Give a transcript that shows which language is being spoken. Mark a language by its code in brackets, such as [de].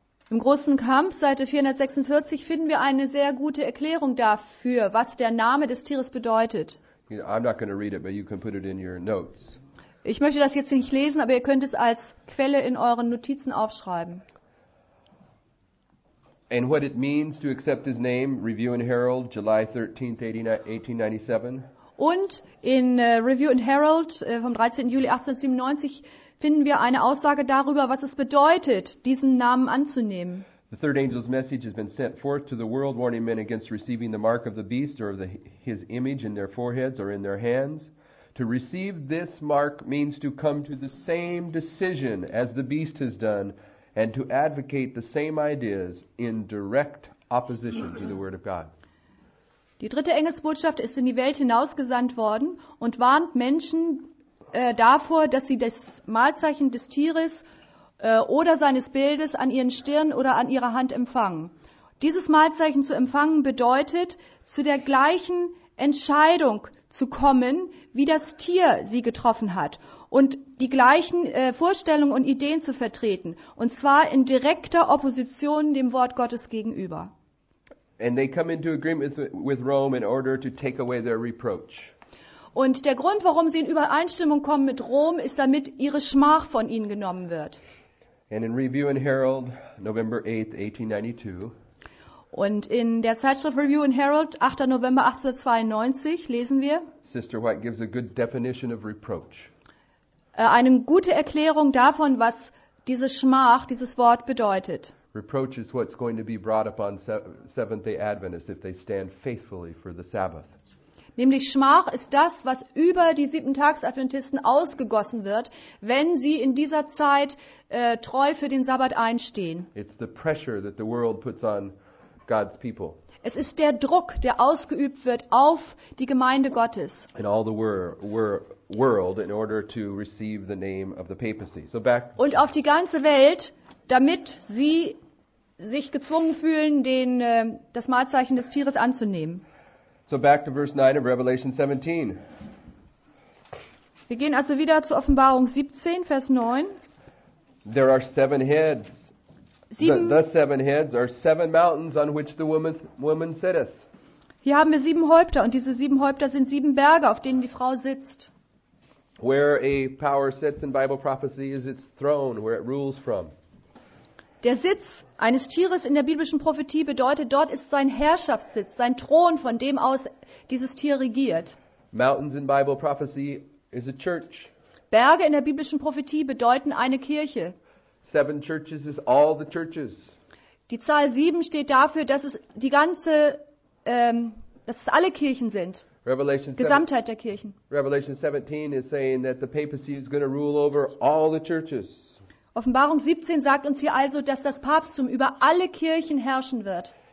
[de] Im großen Kampf, Seite 446, finden wir eine sehr gute Erklärung dafür, was der Name des Tieres bedeutet. [en] I'm not going to read it, but you can put it in your notes. [de] Ich möchte das jetzt nicht lesen, aber ihr könnt es als Quelle in euren Notizen aufschreiben. [en] And what it means to accept his name, Review and Herald, July 13, 1897. [de] Und in Review and Herald vom 13. Juli 1897 finden wir eine Aussage darüber, was es bedeutet, diesen Namen anzunehmen. [en] The third angel's message has been sent forth to the world, warning men against receiving the mark of the beast or his image in their foreheads or in their hands. To receive this mark means to come to the same decision as the beast has done and to advocate the same ideas in direct opposition to the word of God. [de] Die dritte Engelsbotschaft ist in die Welt hinausgesandt worden und warnt Menschen davor, dass sie das Malzeichen des Tieres oder seines Bildes an ihren Stirn oder an ihrer Hand empfangen. Dieses Malzeichen zu empfangen bedeutet, zu der gleichen Entscheidung zu kommen, wie das Tier sie getroffen hat und die gleichen Vorstellungen und Ideen zu vertreten, und zwar in direkter Opposition dem Wort Gottes gegenüber. [en] And they come into agreement with Rome in order to take away their reproach. [de] Und der Grund, warum sie in Übereinstimmung kommen mit Rom, ist, damit ihre Schmach von ihnen genommen wird. [en] And in Review and Herald, November 8, 1892. [de] Und in der Zeitschrift Review and Herald, 8. November 1892, lesen wir. [en] Sister White gives a good definition of reproach. [de] Eine gute Erklärung davon, was diese Schmach, dieses Wort bedeutet. [en] Reproach is what's going to be brought upon Seventh-day Adventists if they stand faithfully for the Sabbath. [de] Nämlich Schmach ist das, was über die Siebentags-Adventisten ausgegossen wird, wenn sie in dieser Zeit treu für den Sabbat einstehen. [en] It's the pressure that the world puts on God's people. [de] Es ist der Druck, der ausgeübt wird auf die Gemeinde Gottes. [en] In all the world in order to receive the name of the papacy. So back. [de] Und auf die ganze Welt, damit sie sich gezwungen fühlen, das Malzeichen des Tieres anzunehmen. [en] So back to verse 9 of Revelation 17. [de] Wir gehen also wieder zu Offenbarung 17, Vers 9. [en] There are seven heads. The seven heads are seven mountains on which the woman sitteth. [de] Hier haben wir sieben Häupter und diese sieben Häupter sind sieben Berge, auf denen die Frau sitzt. [en] Where a power sits in Bible prophecy is its throne, where it rules from. [de] Der Sitz eines Tieres in der biblischen Prophetie bedeutet, dort ist sein Herrschaftssitz, sein Thron, von dem aus dieses Tier regiert. [en] Mountains in Bible prophecy is a church. [de] Berge in der biblischen Prophetie bedeuten eine Kirche. [en] Seven churches is all the churches. [de] Die Zahl sieben steht dafür, dass es die ganze, dass es alle Kirchen sind. Gesamtheit der Kirchen. [en] Revelation 17 is saying that the papacy is going to rule over all the churches. [de] Offenbarung 17 sagt uns hier also, dass das Papsttum über alle Kirchen herrschen wird.